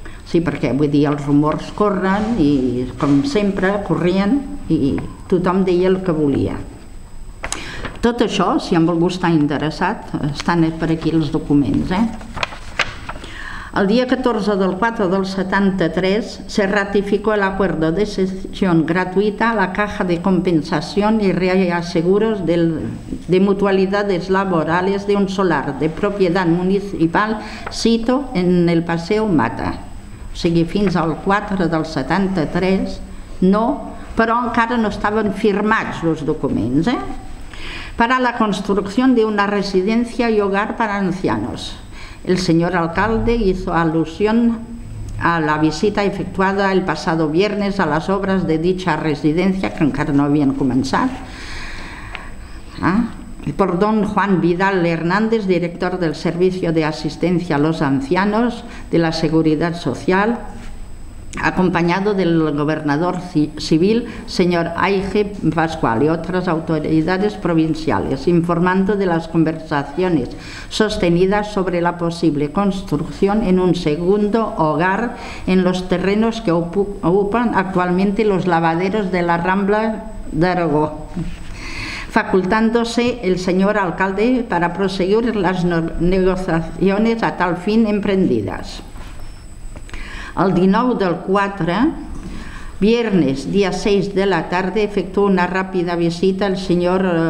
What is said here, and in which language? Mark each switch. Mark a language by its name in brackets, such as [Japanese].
[Catalan] Sí, perquè vull dir, els rumors corren i, com sempre, corrien i tothom deia el que volia. Tot això, si amb algú està interessat, estan per aquí els documents. [Spanish] El dia 14 del 4 del 73 se ratificó el acuerdo de cesión gratuita a la Caja de Compensación y Reaseguros de Mutualidades Laborales de un solar de propiedad municipal sito en el Paseo Mata. [Catalan] O sigui, fins al 4 del 73, no, però encara no estaven firmats els documents, per a la construcció d'una residència i hogar per a ancianos. [Spanish] El señor alcalde hizo alusión a la visita efectuada el pasado viernes a las obras de dicha residencia, que encara no habían comenzado, por don Juan Vidal Hernández, director del Servicio de Asistencia a los Ancianos de la Seguridad Social, acompañado del gobernador civil, señor Aige Pascual, y otras autoridades provinciales, informando de las conversaciones sostenidas sobre la posible construcción en un segundo hogar en los terrenos que ocupan actualmente los lavaderos de la Rambla de Aragó, facultándose el señor alcalde para proseguir las negociaciones a tal fin emprendidas. [Catalan] El 19 del 4, viernes, dia 6 de la tarda, efectuó una ràpida visita al senyor...